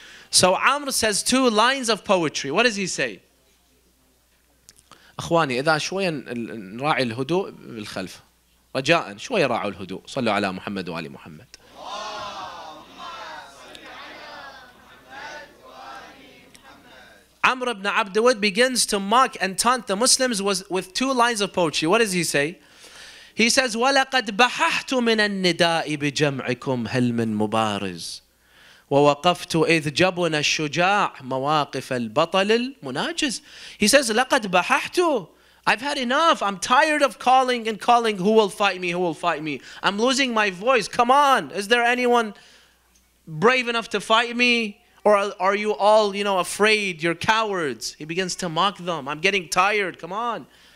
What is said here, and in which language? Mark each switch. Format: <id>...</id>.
<en>So Amr says two lines of poetry. What does he say?</en> <ar>أخواني إذا شوية نراعي الهدوء بالخلف رجاء شوية راعوا الهدوء صلوا على محمد وآل محمد عمرو بن عبد الود</ar> <en>begins to mock and taunt the Muslims with two lines of poetry. What does he say? He says</en> <ar>ولقد بححت من النداء بجمعكم هل من مبارز ووقفت إذ جبنا الشجاع مواقف البطل المناجز.</ar> <en>He says,</en> <ar>لقد بححت.</ar> <en>I've had enough. I'm tired of calling and calling. Who will fight me? Who will fight me? I'm losing my voice. Come on. Is there anyone brave enough to fight me? Or are you all, afraid? You're cowards. He begins to mock them. I'm getting tired. Come on.</en>